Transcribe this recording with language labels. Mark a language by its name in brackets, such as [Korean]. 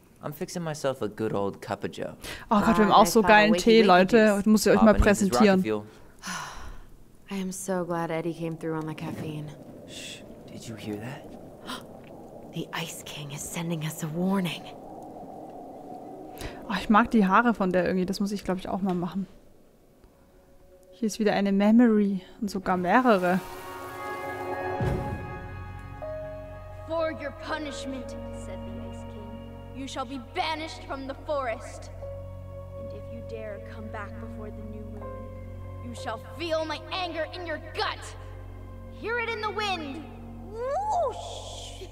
[English] I'm fixing myself a good old cup of joe. [German] Oh Gott, wir haben auch so geilen Tee, Leute. Ich muss ihr euch mal präsentieren. [English] I am so glad Eddie came through on the caffeine. Shh, did you hear that? The Ice King is sending us a warning. [German] Oh, ich mag die Haare von der irgendwie. Das muss ich, glaube ich, auch mal machen. Hier ist wieder eine Memory und sogar mehrere. [English] For your punishment, said the Ice King, you shall be banished from the forest. And if you dare come back before the new moon, you shall feel my anger in your gut. Hear it in the wind. Whoosh!